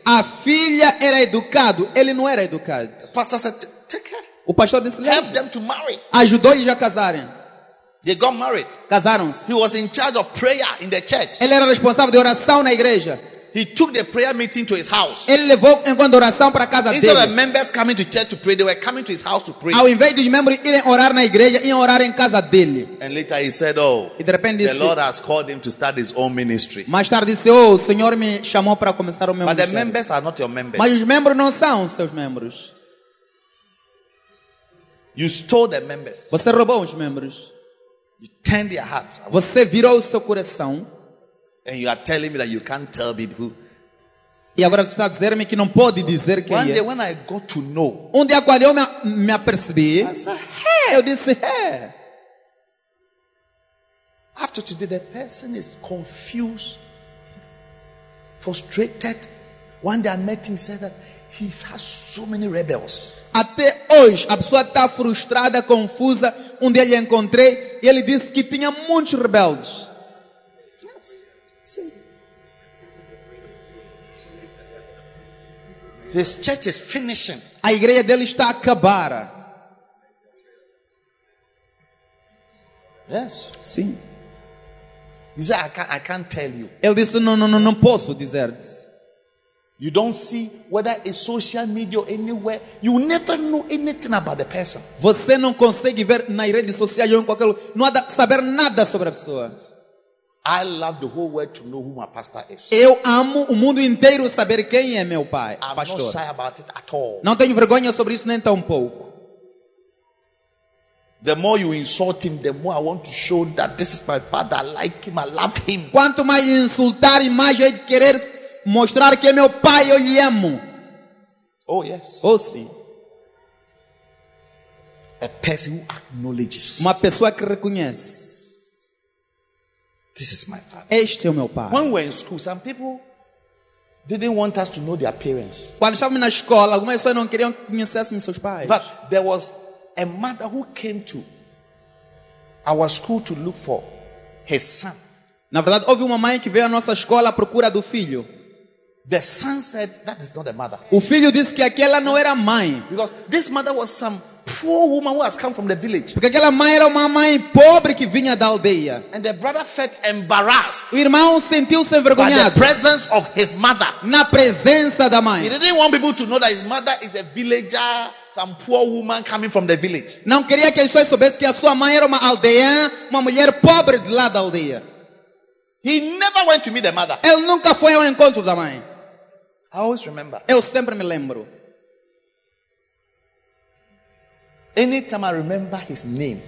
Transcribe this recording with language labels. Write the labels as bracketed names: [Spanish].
[Portuguese] A filha era educado. Ele não era educado. [English] The pastor said, "Take care." [Portuguese] O pastor disse, [English] help them to marry. [Portuguese] Ajudou-lhes a casarem. [English] They got married. [Portuguese] Casaram-se. [English] He was in charge of prayer in the church. [Portuguese] Ele era responsável de oração na igreja. [English] He took the prayer meeting to his house. [Portuguese] Ele levou encontro de oração para casa [English] Instead [Portuguese] dele. [English] Instead of members coming to church to pray, they were coming to his house to pray. [Portuguese] Ao invés de membros irem orar na igreja, iam orar em casa dele. [English] And later he said, "Oh, [Portuguese] e de repente disse, [English] the Lord has called him to start his own ministry." [Portuguese] Mais tarde disse, "Oh, o Senhor me chamou para começar o meu ministério." [English] But the members are not your members. [Portuguese] Mas os membros não são seus membros. [English] You stole the members. [Portuguese] Você roubou os membros. [English] You turned their hearts. [Portuguese] Você virou o seu coração. [English] And you are telling me that you can't tell me who. [Portuguese] E agora você está dizendo me que não pode dizer quem [English] one [Portuguese] é. [English] One day when I got to know. [Portuguese] Dia quando eu me apercebi. [English] I said, "Hey." [Portuguese] Eu disse, "Hey." [English] Up to today, the person is confused, frustrated. One day I met him, said that he has so many rebels. [Portuguese] Até hoje, a pessoa está frustrada, confusa. Dia lhe encontrei e ele disse que tinha muitos rebeldes. [English] Yes. [Portuguese] Sim. [English] His church is finishing. [Portuguese] A igreja dele está a acabar. [English] Yes. [Portuguese] Sim. [English] He said, I can't tell you. [Portuguese] Ele disse, não posso dizer. [English] You don't see whether it's social media or anywhere. You never know anything about the person. [Portuguese] Você não consegue ver na rede social ou em qualquer lugar. Não há de saber nada sobre a pessoa. [English] I love the whole world to know who my pastor is. [Portuguese] Eu amo o mundo inteiro saber quem é meu pai, [English] I'm pastor. Not shy about it at all. [Portuguese] Não tenho vergonha sobre isso nem tão pouco. [English] The more you insult him, the more I want to show that this is my father. I like him. I love him. [Portuguese] Quanto mais insultar, mais eu querer mostrar que é meu pai, eu lhe amo. [English] Oh, yes. [Portuguese] Oh, sim. [English] A person who acknowledges. [Portuguese] Uma pessoa que reconhece. [English] This is my father. [Portuguese] Este é o meu pai. [English] When we were in school, some people didn't want us to know their parents. [Portuguese] Quando estávamos na escola, algumas pessoas não queriam que conhecêssemos seus pais. [English] But there was a mother who came to our school to look for her son. [Portuguese] Na verdade, houve uma mãe que veio à nossa escola à procura do filho. [English] The son said, "That is not a mother." [Portuguese] O filho disse que aquela não era mãe. [English] Because this mother was some poor woman who has come from the village. [Portuguese] Porque aquela mãe era uma mãe pobre que vinha da aldeia. [English] And the brother felt embarrassed. [Portuguese] O irmão sentiu-se envergonhado. [English] By the presence of his mother. [Portuguese] Na presença da mãe. [English] He didn't want people to know that his mother is a villager, some poor woman coming from the village. [Portuguese] Não queria que as pessoas soubessem que a sua mãe era uma aldeã, uma mulher pobre de lá da aldeia. [English] He never went to meet the mother. [Portuguese] Ele nunca foi ao encontro da mãe. [English] I always remember. [Portuguese] Eu sempre me lembro. [English] Anytime I remember his name.